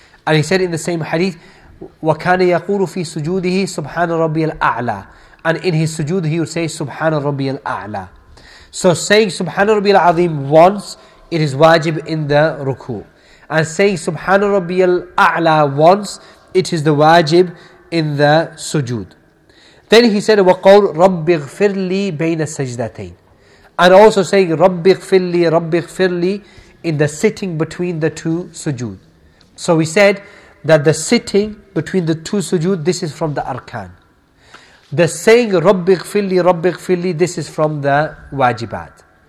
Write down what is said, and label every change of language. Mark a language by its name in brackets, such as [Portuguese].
[English] And he said in the same hadith, [Arabic] وَكَانَ يَقُولُ فِي سُجُودِهِ سُبْحَانَ رَبِّيَ الْأَعْلَى. [English] And in his sujood, he would say, Subhana Rabbi al-A'la. So saying Subhana Rabbi al-Azim once, it is wajib in the ruku'. And saying Subhana Rabbi al-A'la once, it is the wajib in the sujood. Then he said, [Arabic] وَقَوْلُ رَبِّ اغْفِرْ لِي بَيْنَ السَّجْدَتَيْنِ. [English] And also saying, [Arabic] رَبِّ اغْفِرْ لِي, رَبِّ اغْفِرْ لِي, [English] in the sitting between the two sujood. So we said that the sitting between the two sujood, this is from the arkan. The saying Rabbi ghfirli, Rabbi ghfirli, this is from the wajibat.